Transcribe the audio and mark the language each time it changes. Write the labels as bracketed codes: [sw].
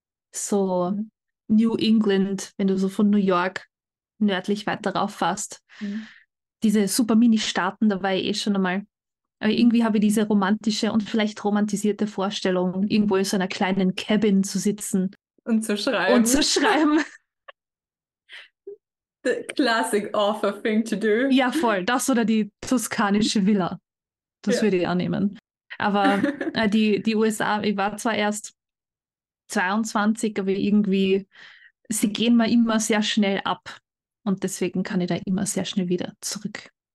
[de] So New England, wenn du so von New York nördlich weiter rauf fährst. Diese super Mini-Staaten, da war ich eh schon einmal. Aber irgendwie habe ich diese romantische und vielleicht romantisierte Vorstellung, irgendwo in so einer kleinen Cabin zu sitzen Und zu und zu schreiben. schreiben. [en] The classic author thing to do. [de] Ja, voll. Das oder die toskanische Villa. Das würde ich annehmen. Aber die USA, ich war zwar erst 22, aber irgendwie, sie gehen mal immer sehr schnell ab. Und deswegen kann ich da immer sehr schnell wieder zurück.